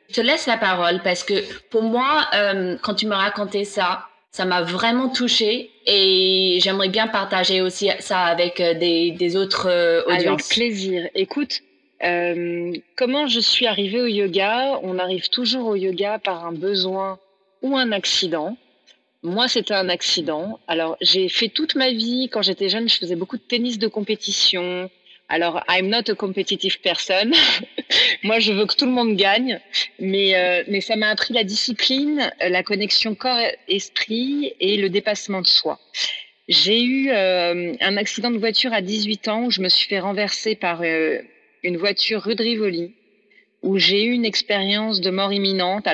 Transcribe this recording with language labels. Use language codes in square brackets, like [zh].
[fr] Je te laisse la parole parce que pour moi, quand tu me racontais ça, ça m'a vraiment touchée et j'aimerais bien partager aussi ça avec des autres audiences. Avec plaisir. Écoute, comment je suis arrivée au yoga? On arrive toujours au yoga par un besoin ou un accident. Moi, c'était un accident. Alors, j'ai fait toute ma vie, quand j'étais jeune, je faisais beaucoup de tennis de compétition. Alors, [en] I'm not a competitive person. [fr] Moi, je veux que tout le monde gagne. Mais ça m'a appris la discipline, la connexion corps-esprit et le dépassement de soi. J'ai eu un accident de voiture à 18 ans où je me suis fait renverser par une voiture rue de Rivoli, où j'ai eu une expérience de mort imminente.